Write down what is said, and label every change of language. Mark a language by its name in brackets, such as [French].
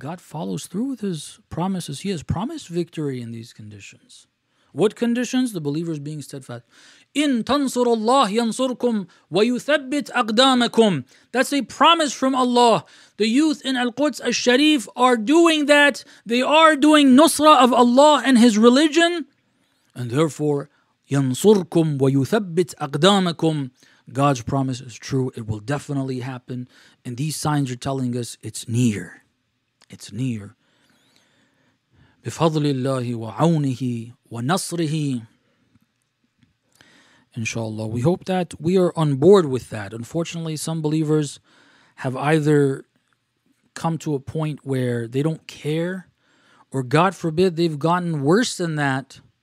[English] God follows through with His promises. He has promised victory in these conditions. What conditions? The believers being steadfast. [Arabic] إِن تَنْصُرُ اللَّهِ يَنْصُرْكُمْ وَيُثَبِّتْ أَقْدَامَكُمْ. [English] That's a promise from Allah. The youth in Al-Quds al-Sharif are doing that. They are doing nusra of Allah and His religion. And therefore, [Arabic] يَنْصُرْكُمْ وَيُثَبِّتْ أَقْدَامَكُمْ. [English] God's promise is true. It will definitely happen. And these signs are telling us it's near. It's near. [Arabic] بِفَضْلِ اللَّهِ وَعَوْنِهِ وَنَصْرِهِ. Inshallah. [English] We hope that we are on board with that. Unfortunately, some believers have either come to a point where they don't care, or God forbid, they've gotten worse than that.